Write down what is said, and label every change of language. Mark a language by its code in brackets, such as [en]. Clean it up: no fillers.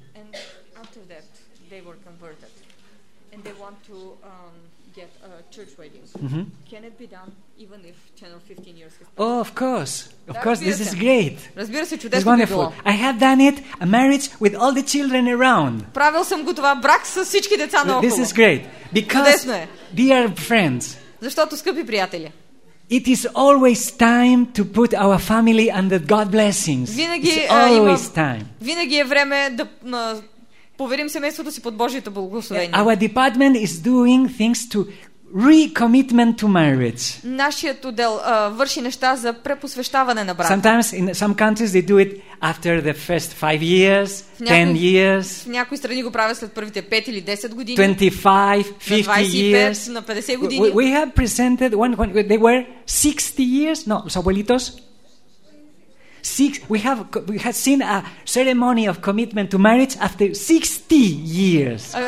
[en] and after that they were converted, and they want to get a church wedding. Mm-hmm. Can it be done even if 10 or 15 years? Oh, of course, of course, this is great. [bg] Разбира се, чудесно. [en] It's wonderful. I have done it—a marriage with all the children around. [bg] Правил съм го това, брак с всички деца наоколо. [en] This is great because dear friends. [bg] Защото, скъпи приятели. [en] It is always time to put our family under God's blessings. [bg] Винаги, [en] it's always time. [bg] Винаги е време да поверим семейството си под Божието благословение. [en] Our department is doing things to recommitment to marriage. [bg] Нашият отдел върши неща за препосвещаване на брака. [en] Sometimes in some countries they do it after the first 5 years, 10 years. [bg] В някои страни го правят след първите 5 или 10 години. [en] 25, 50 years. [bg] На 50 години. [en] We have presented when they were 60 years. [es] No, los abuelitos. [en] We have seen a ceremony of commitment to marriage after 60 years.